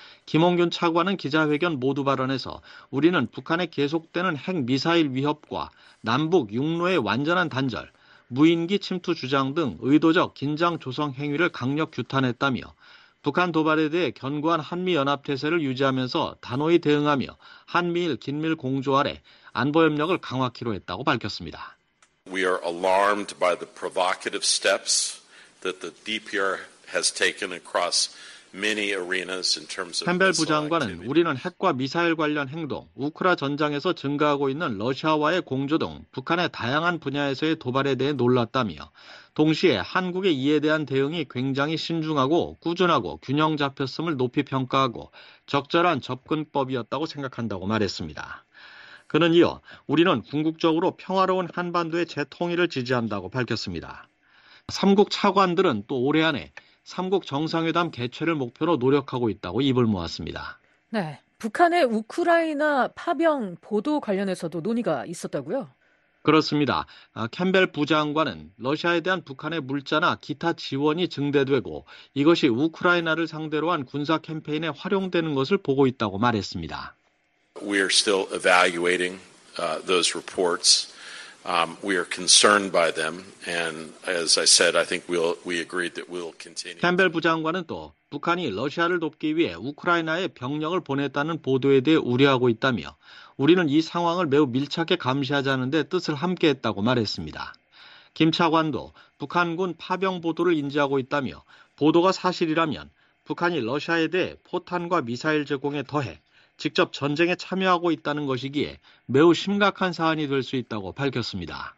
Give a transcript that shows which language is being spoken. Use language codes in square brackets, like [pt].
[ko] 김홍균 차관은 기자회견 모두 발언에서 우리는 북한의 계속되는 핵미사일 위협과 남북 육로의 완전한 단절, 무인기 침투 주장 등 의도적 긴장 조성 행위를 강력 규탄했다며 북한 도발에 대해 견고한 한미연합태세를 유지하면서 단호히 대응하며 한미일 긴밀 공조 아래 안보협력을 강화하기로 했다고 밝혔습니다. [en] We are alarmed by the provocative steps that the DPR has taken across [ko] 캠벨 부장관은 우리는 핵과 미사일 관련 행동, 우크라 전장에서 증가하고 있는 러시아와의 공조 등 북한의 다양한 분야에서의 도발에 대해 놀랐다며 동시에 한국의 이에 대한 대응이 굉장히 신중하고 꾸준하고 균형 잡혔음을 높이 평가하고 적절한 접근법이었다고 생각한다고 말했습니다. 그는 이어 우리는 궁극적으로 평화로운 한반도의 재통일을 지지한다고 밝혔습니다. 3국 차관들은 또 올해 안에 3국 정상회담 개최를 목표로 노력하고 있다고 입을 모았습니다. 네, 북한의 우크라이나 파병 보도 관련해서도 논의가 있었다고요? 그렇습니다. 캠벨 부장관은 러시아에 대한 북한의 물자나 기타 지원이 증대되고 이것이 우크라이나를 상대로 한 군사 캠페인에 활용되는 것을 보고 있다고 말했습니다. [en] We are still evaluating those reports. We are concerned by them, and as I said, I think we agreed that we'll continue. [ko] 캠벨 부장관은 또 북한이 러시아를 돕기 위해 우크라이나에 병력을 보냈다는 보도에 대해 우려하고 있다며 우리는 이 상황을 매우 밀착해 감시하자는 데 뜻을 함께했다고 말했습니다. 김 차관도 북한군 파병 보도를 인지하고 있다며 보도가 사실이라면 북한이 러시아에 대해 포탄과 미사일 제공에 더해 직접 전쟁에 참여하고 있다는 것이기에 매우 심각한 사안이 될 수 있다고 밝혔습니다.